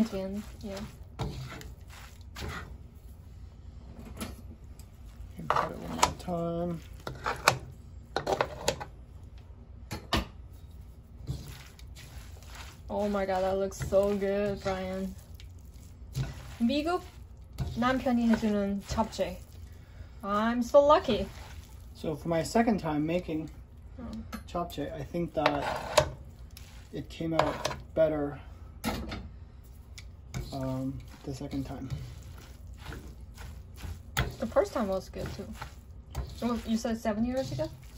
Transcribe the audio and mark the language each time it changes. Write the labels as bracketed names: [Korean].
[English] At the end, yeah. And put it one more time. Oh my god, that looks so good, Brian. [Korean] 미국 남편이 해주는 잡채. [English] I'm so lucky. So for my second time making chapche, I think that it came out better the second time. The first time was good too. So you said 7 years ago?